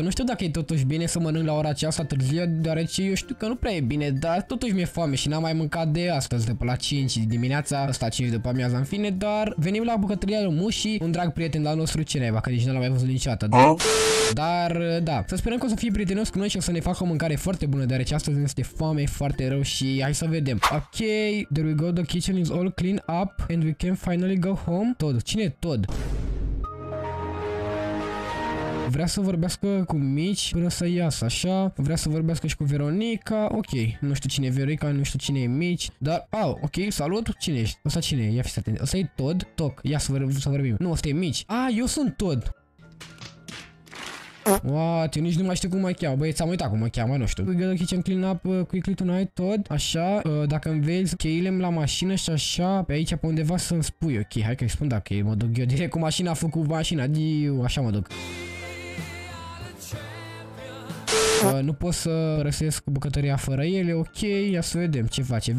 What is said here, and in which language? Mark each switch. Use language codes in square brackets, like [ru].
[ro] Nu știu dacă e totuși bine să mănânc la ora aceasta târziu, deoarece eu știu că nu prea e bine, dar totuși mi-e foame și n-am mai mâncat de astăzi, de pe la 5 dimineața, ăsta 5 după amiază, în fine, dar venim la bucătăria lui Mușii, un drag prieten al nostru, cineva, că nici nu l-am mai văzut niciodată. Da? Dar da, să sperăm că o să fie prietenos cu noi și o să ne facă o mâncare foarte bună, deoarece astăzi ne este foame foarte rău și hai să vedem. [en] Ok, there we go, the kitchen is all clean up and we can finally go home. [ro] Tod, cine e Tod? Vrea să vorbească cu Mici până să iasă, așa. Vrea să vorbească și cu Veronica. Ok, nu știu cine e Veronica, nu știu cine e Mici. Dar, au, ok, salut, cine ești? Ăsta cine e? Ia fiți atent. Ăsta e Tod? Toc, ia să vorbim. Nu, ăsta e Mici. A, eu sunt Tod. [en] What, [ro] eu nici nu mai știu cum mă cheamă. Băi, ți-am uitat cum mă cheamă, nu știu. [en] We got the kitchen clean up quickly tonight, Tod. [ro] Așa, dacă îmi vezi cheile-mi la mașină și așa, pe aici, pe undeva să-mi spui. Ok, hai că-i spun dacă mă duc eu direct cu mașina, fug cu mașina. Diu, așa mă duc. Nu pot să răsesc bucătăria fără ele, ok, ia să vedem ce face.